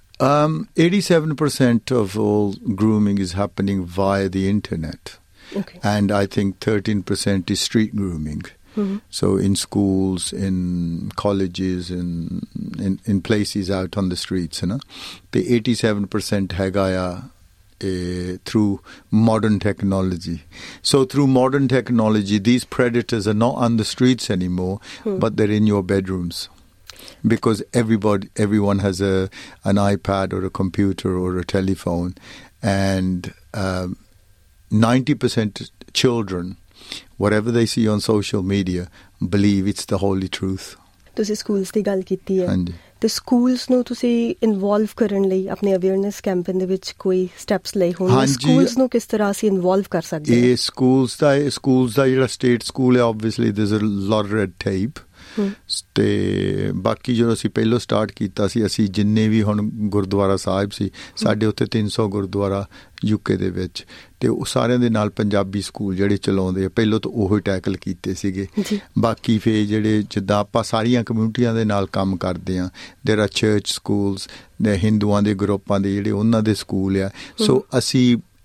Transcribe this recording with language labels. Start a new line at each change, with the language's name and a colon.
English: 87% of all grooming is happening via the internet and I think 13% is street grooming so in schools in colleges in in places out on the streets
Punjabi: ਹੈ ਨਾ ਅਤੇ 87% ਹੈਗਾ ਆ
English: through modern technology. So through modern technology, these predators are not on the streets anymore, but they're in your bedrooms. Because everyone has an iPad or a computer or a telephone. And 90% children, whatever they see on social media, believe it's the holy truth.
Punjabi: ਤੁਸੀਂ schools ਦੀ ਗੱਲ ਕੀਤੀ ਹੈ ਤੇ schools ਨੂੰ ਤੁਸੀਂ involve ਕਰਨ ਲਈ ਆਪਣੇ ਅਵੇਅਰਨੈਸ ਕੈਂਪੇਨ ਦੇ ਵਿੱਚ ਕੋਈ ਸਟੈਪਸ ਲਏ ਹੋਣਗੇ ਸਕੂਲਸ ਨੂੰ ਕਿਸ ਤਰ੍ਹਾਂ ਅਸੀਂ ਇਨਵੋਲਵ ਕਰ ਸਕਦੇ ਹਾਂ ਇਹ ਸਕੂਲਸ ਦਾ ਜਿਹੜਾ ਸਟੇਟ ਸਕੂਲ ਹੈ
English: obviously this is a lot red tape
Punjabi: ਤੇ ਬਾਕੀ ਜਦੋਂ ਅਸੀਂ ਪਹਿਲਾਂ ਸਟਾਰਟ ਕੀਤਾ ਸੀ ਅਸੀਂ ਜਿੰਨੇ ਵੀ ਹੁਣ ਗੁਰਦੁਆਰਾ ਸਾਹਿਬ ਸੀ ਸਾਡੇ ਉੱਥੇ 300 ਗੁਰਦੁਆਰਾ ਯੂਕੇ ਦੇ ਵਿੱਚ ਅਤੇ ਉਹ ਸਾਰਿਆਂ ਦੇ ਨਾਲ ਪੰਜਾਬੀ ਸਕੂਲ ਜਿਹੜੇ ਚਲਾਉਂਦੇ ਆ ਪਹਿਲਾਂ ਤਾਂ ਉਹ ਹੀ ਟੈਕਲ ਕੀਤੇ ਸੀਗੇ ਬਾਕੀ ਫਿਰ ਜਿਹੜੇ ਜਿੱਦਾਂ ਆਪਾਂ ਸਾਰੀਆਂ ਕਮਿਊਨਿਟੀਆਂ ਦੇ ਨਾਲ ਕੰਮ ਕਰਦੇ ਹਾਂ
English: there are church schools
Punjabi: ਹਿੰਦੂਆਂ ਦੇ ਗਰੁੱਪਾਂ ਦੇ ਜਿਹੜੇ ਉਹਨਾਂ ਦੇ ਸਕੂਲ ਆ ਸੋ ਅਸੀਂ